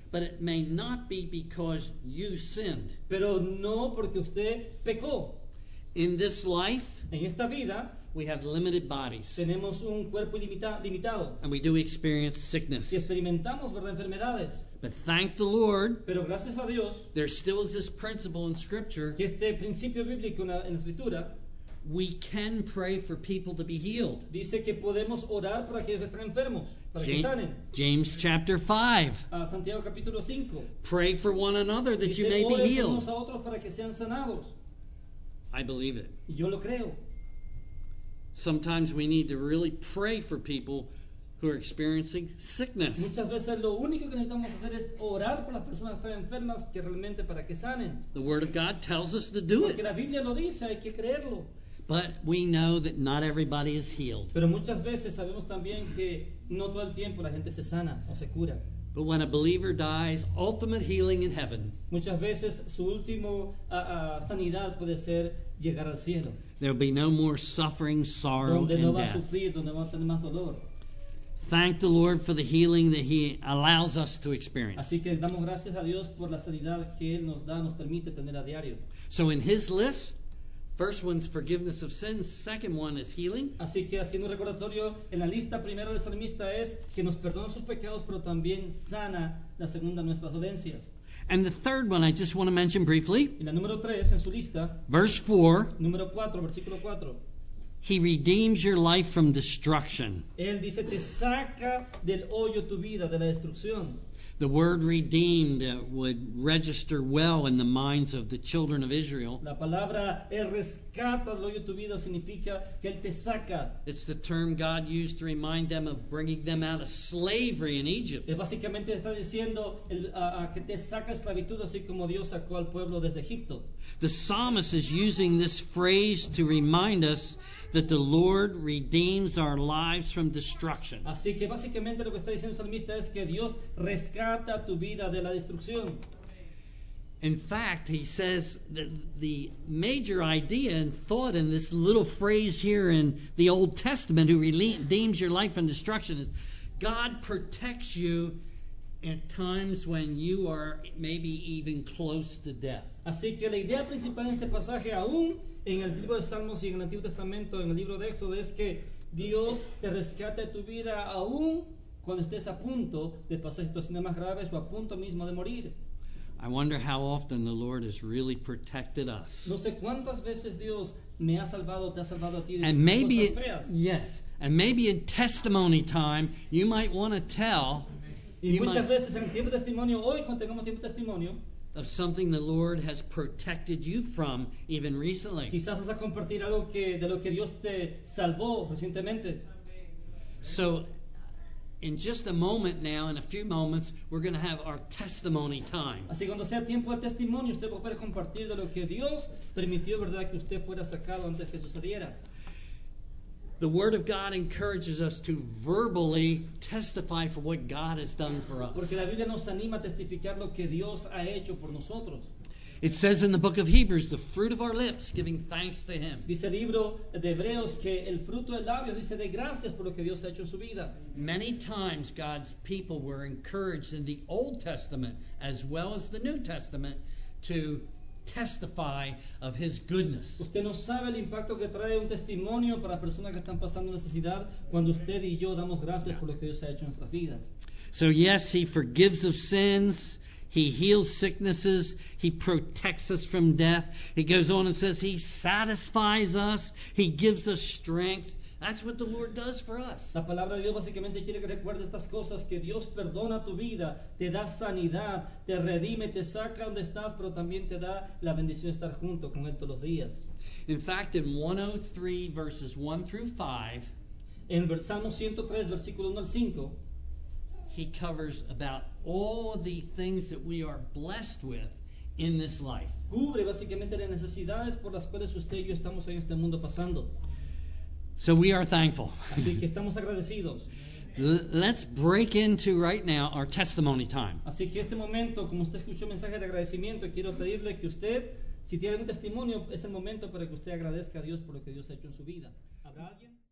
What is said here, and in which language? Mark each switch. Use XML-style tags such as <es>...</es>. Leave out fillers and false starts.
<en>But it may not be because you sinned.</en> <es>Pero no porque usted pecó.</es> <en>In this life,</en> <es>en esta vida,</es> <en>we have limited bodies.</en> <es>Tenemos un cuerpo limitado.</es> <en>And we do experience sickness.</en> <es>Y experimentamos, ¿verdad?, enfermedades.</es> <en>But thank the Lord,</en> <es>pero gracias a Dios,</es> <en>there still is this principle in Scripture.</en> <es>Que este principio bíblico en la Escritura.</es> <en>We can pray for people to be healed.</en> <es>Dice que podemos orar para que estén enfermos, para que sanen.</es> <en>James chapter 5.</en> <es>Santiago capítulo 5.</es> <en>Pray for one another that</en> <es>dice,</es> <en>you may be healed.</en> <es>Dice, oren unos a otros para que sean sanados.</es> <en>I believe it.</en> <es>Yo lo creo.</es> <en>Sometimes we need to really pray for people who are experiencing sickness.</en> <es>Muchas veces lo único que necesitamos hacer es orar por las personas que están enfermas que realmente para que sanen.</es> <en>The Word of God tells us to do it.</en> <es>Porque la Biblia lo dice, hay que creerlo.</es> <en>But we know that not everybody is healed.</en> <es>Pero muchas veces sabemos también que no todo el tiempo la gente se sana o se cura.</es> <en>But when a believer dies, ultimate healing in heaven.</en> <es>Muchas veces su último sanidad puede ser llegar al cielo.</es> <en>There will be no more suffering, sorrow,</en> <es>donde</es> <en>and</en> <es>no va</es> <en>death.</en> <es>A sufrir, donde va a tener más dolor.</es> <en>Thank the Lord for the healing that He allows us to experience.</en> <es>Así que damos gracias a Dios por la sanidad que Él nos da, nos permite tener a diario.</es> <en>So in His list, first one's forgiveness of sins, second one is healing.</en> <es>Así que haciendo un recordatorio, en la lista primero del salmista es que nos perdona sus pecados, pero también sana la segunda nuestras dolencias.</es> <en>And the third one I just want to mention briefly.</en> <es>Y la número tres en su lista.</es> <en>Verse 4.</en> <es>Número 4, versículo 4.</es> <en>He redeems your life from destruction.</en> <es>Él dice, te saca del hoyo tu vida, de la destrucción.</es> <en>The word redeemed would register well in the minds of the children of Israel.</en> <es>La palabra el rescata del hoyo tu vida significa que él te saca.</es> <en>It's the term God used to remind them of bringing them out of slavery in Egypt.</en> <es>Es básicamente está diciendo que te saca esclavitud así como Dios sacó al pueblo desde Egipto.</es> <en>The psalmist is using this phrase to remind us that the Lord redeems our lives from destruction.</en> <es>Así que básicamente lo que está diciendo el salmista es que Dios rescata tu vida de la destrucción.</es> <en>In fact, he says that the major idea and thought in this little phrase here in the Old Testament, who redeems your life from destruction, is God protects you at times when you are maybe even close to death.</en> <es>Así que la idea principal en este pasaje, aún en el libro de Salmos y en el Antiguo Testamento, en el libro de Éxodo, es que Dios te rescata de tu vida aún cuando estés a punto de pasar situaciones más graves o a punto mismo de morir.</es> <en>I wonder how often the Lord has really protected us.</en> <es>No sé cuántas veces Dios me ha salvado, te ha salvado a ti.</es> <en>And maybe, yes, and maybe in testimony time, you might want to tell.</en> <es>Y muchas veces en tiempo de testimonio, hoy cuando tengamos tiempo de testimonio,</es> <en>of something the Lord has protected you from even recently.</en> <es>Quizás vas a compartir algo que, de lo que Dios te salvó recientemente.</es> <en>So, in just a moment now, in a few moments, we're going to have our testimony time.</en> <es>Así cuando sea tiempo de testimonio, usted va a poder compartir de lo que Dios permitió, verdad, que usted fuera sacado antes que sucediera.</es> <en>The Word of God encourages us to verbally testify for what God has done for us.</en> <es>Porque la Biblia nos anima a testificar lo que Dios ha hecho por nosotros.</es> <en>It says in the book of Hebrews, the fruit of our lips, giving thanks to Him.</en> <es>Dice el libro de Hebreos que el fruto del labio dice de gracias por lo que Dios ha hecho en su vida.</es> <en>Many times God's people were encouraged in the Old Testament as well as the New Testament to testify of His goodness.</en> <es>Usted no sabe el impacto que trae un testimonio para personas que están pasando necesidad cuando usted y yo damos gracias por lo que Dios ha hecho en nuestras vidas.</es> <en>So yes, He forgives of sins. He heals sicknesses. He protects us from death. He goes on and says He satisfies us. He gives us strength. That's what the Lord does for us.</en> <es>La palabra de Dios básicamente quiere que recuerde estas cosas, que Dios perdona tu vida, te da sanidad, te redime, te saca donde estás, pero también te da la bendición de estar junto con Él todos los días.</es> <en>In fact, in 103 verses 1 through 5,</en> <es>en el Salmo 103, versículo 1 al 5,</es> <en>He covers about all the things that we are blessed with in this life.</en> <es>Cubre básicamente las necesidades por las cuales usted y yo estamos en este mundo pasando.</es> <en>So we are thankful.</en> <es>Así que estamos agradecidos.</es> <en>Let's break into right now our testimony time.</en> <es>Así que este momento, como usted escuchó el mensaje de agradecimiento, quiero pedirle que usted, si tiene algún testimonio, es el momento para que usted agradezca a Dios por lo que Dios ha hecho en su vida. ¿Habrá alguien?</es>